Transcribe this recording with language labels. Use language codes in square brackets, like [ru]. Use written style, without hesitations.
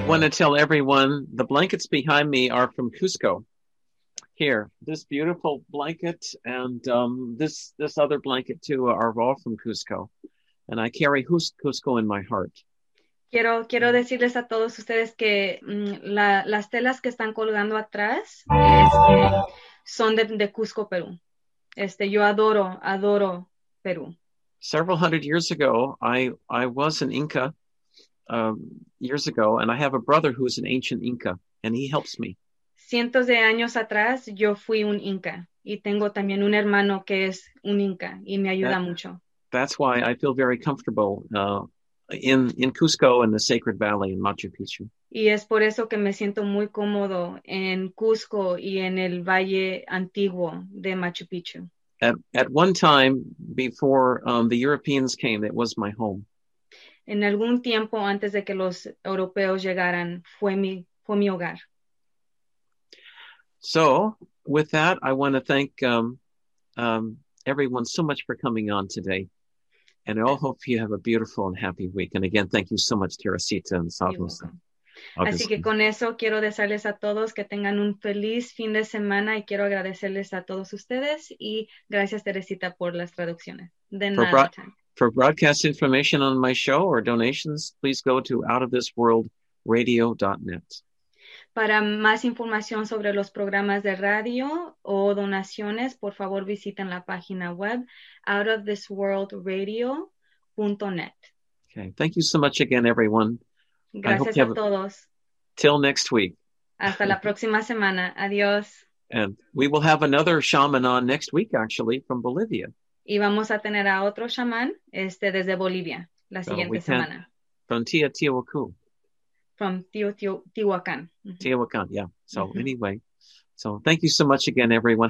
[en] Tell everyone the blankets behind me are from Cusco. Here, this beautiful blanket and this other blanket too are all from Cusco, and I carry Cusco in my heart. [es] Quiero decirles a todos ustedes que las telas que están colgando atrás son de Cusco, Perú. Yo adoro Perú. [en] Several hundred years ago, I was an Inca. Years ago, and I have a brother who is an ancient Inca, and he helps me. [es] Cientos de años atrás, yo fui un Inca, y tengo también un hermano que es un Inca, y me ayuda mucho. [en] That's why I feel very comfortable in Cusco and the Sacred Valley in Machu Picchu. [es] Y es por eso que me siento muy cómodo en Cusco y en el Valle Antiguo de Machu Picchu. [en] At one time before the Europeans came, it was my home. [es] En algún tiempo antes de que los europeos llegaran, fue mi hogar. [en] So, with that, I want to thank everyone so much for coming on today. And I all hope you have a beautiful and happy week. And again, thank you so much, Teresita and Salvos. [es] Así que con eso quiero desearles a todos que tengan un feliz fin de semana y quiero agradecerles a todos ustedes y gracias, Teresita, por las traducciones. De nada. [en] For broadcast information on my show or donations, please go to outofthisworldradio.net. [es] Para más información sobre los programas de radio o donaciones, por favor visiten la página web outofthisworldradio.net. [en] Okay, thank you so much again, everyone. [es] Gracias a todos. [en] Till next week. [es] Hasta la próxima semana. Adiós. [en] And we will have another shaman on next week, actually, from Bolivia. [es] Y vamos a tener a otro shaman desde Bolivia la siguiente semana. [en] From Teotihuacan. From Teotihuacan. Teotihuacan, yeah. So anyway, so thank you so much again, everyone.